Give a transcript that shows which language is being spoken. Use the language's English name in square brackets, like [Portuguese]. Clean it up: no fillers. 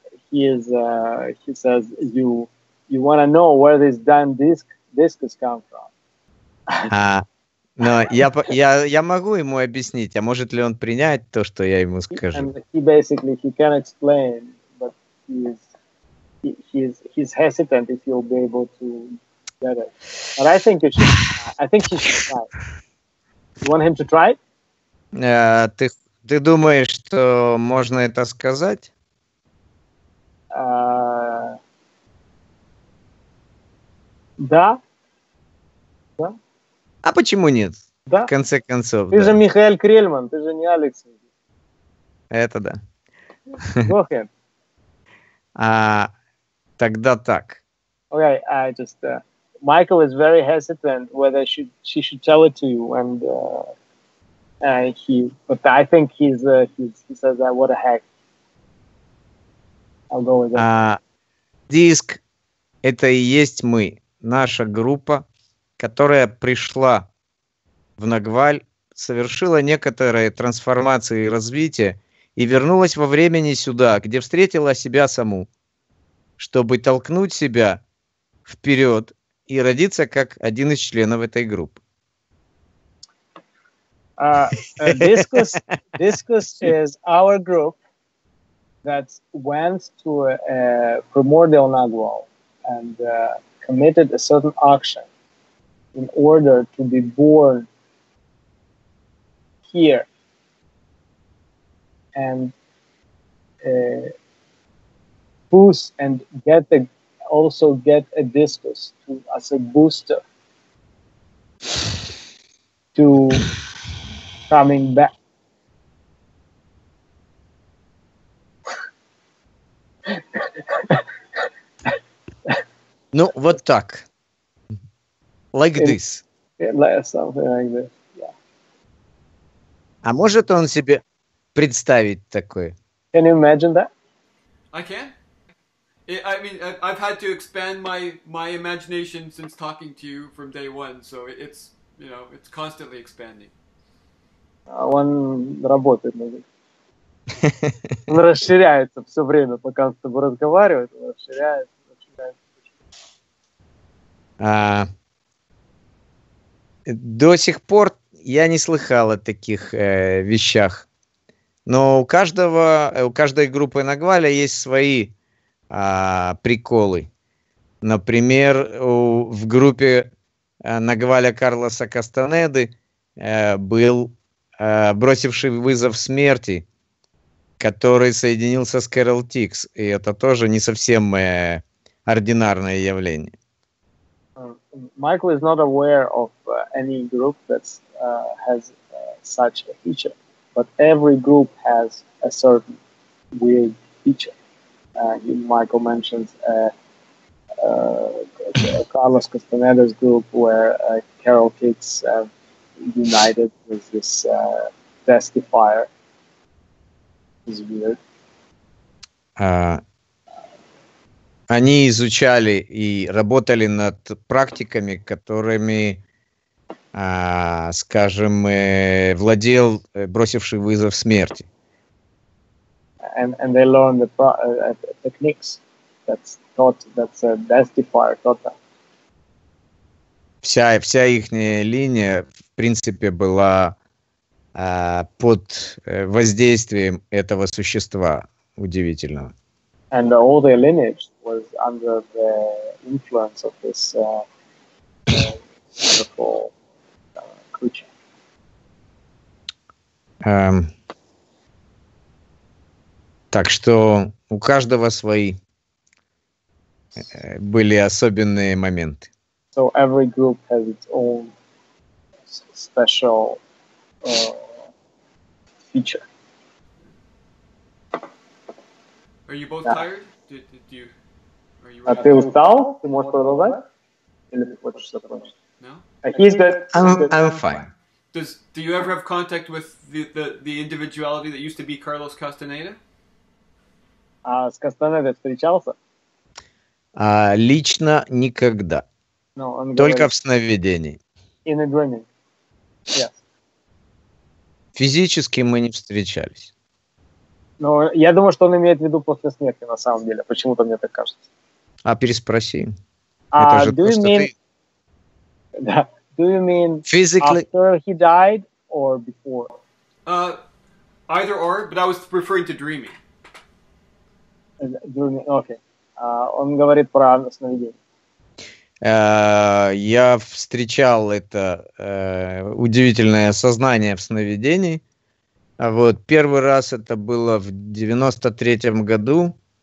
[English] He says you want to know where this damn disc has come from. [Russian] Но я могу ему объяснить, а может ли он принять то, что я ему скажу? [English] He can explain, but he's hesitant if he'll be able to get it. But I think you should. I think he should try. You want him to try? [Russian] Ты думаешь, что можно это сказать? Да. Да. А почему нет? Да. В конце концов. Ты же Михаил Крельман, ты же не Алекс. Это да. [English] Okay. [Russian] Тогда так. [English] Okay, I just Michael is very hesitant whether she should tell it to you and. I think he says that what a heck. I'll go with that. [Russian] Диск – это и есть мы, наша группа, которая пришла в Нагваль, совершила некоторые трансформации и развитие и вернулась во времени сюда, где встретила себя саму, чтобы толкнуть себя вперед и родиться как один из членов этой группы. [English] Discus is our group that went to a primordial Nagual and committed a certain action in order to be born here. And boost and get a discus to, as a booster to coming back. [Russian] Ну, вот так. [English] Like this. Like something like this, yeah. [Russian] А может он себе представить такое? [English] Can you imagine that? I can. I mean, I've had to expand my imagination since talking to you from day one, so it's, you know, it's constantly expanding. [Russian] Он работает, он расширяется все время, пока с тобой разговаривает, он расширяется. До сих пор я не слыхал о таких вещах, но у каждой группы Нагваля есть свои приколы. Например, в группе Нагваля Карлоса Кастанеды был бросивший вызов смерти, который соединился с Кэрол Тикс. И это тоже не совсем ординарное явление. [English] Michael is not aware of any group that has such a feature. But every group has a certain weird feature. Michael mentions Carlos Castaneda's group where Carol Kitts united with this testifier. It's weird. [Russian] Они изучали и работали над практиками, которыми, скажем, владел бросивший вызов смерти. [English] And they learned the techniques that taught that testifier taught them. [Russian] Вся их линия, в принципе, была под воздействием этого существа удивительного. [English] And all their lineage was under the influence of this wonderful creature. [Russian] Так что у каждого свои были особенные моменты. [English] So every group has its own special feature. Are you both tired? Do you? Are you? [Russian] Ты устал? Ты можешь продолжать? Или ты хочешь закончить? [English] No. He's good. I'm fine. Do you ever have contact with the individuality that used to be Carlos Castaneda? [Russian] С Кастанедой встречался? Лично никогда. [English] No, [Russian] только в сновидении. [English] In a dreaming. Yes. [Russian] Физически мы не встречались. Но я думаю, что он имеет в виду после смерти, на самом деле. Почему-то мне так кажется. А переспроси. [English] Do you mean physically after he died or before? Either or, but I was referring to dreaming. Dreaming, okay. [Russian] Он говорит про сновидение. Я встречал это удивительное сознание в сновидении. Вот, первый раз это было в 93-м году.